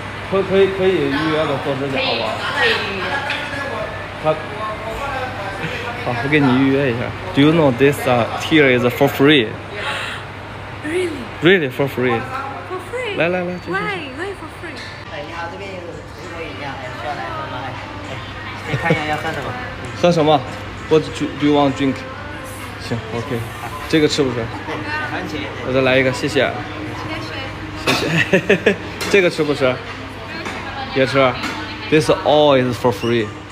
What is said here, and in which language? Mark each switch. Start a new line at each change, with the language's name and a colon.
Chinese: 可以预约的做指甲好吧？可以。他，好，我给你预约一下。
English: Do you know this here is for free? Really? Really for free? For free?
Chinese: 来来来。
English: Why for free?
Chinese: 等一下，这边有水果饮料，需要来喝吗？你看一下要喝什么？喝什么 ？
English: What do you want drink?
Chinese: 行 ，OK。这个吃不吃？番茄。我再来一个，谢谢。谢谢。谢谢。这个吃不吃？也吃
English: ，This all is for free.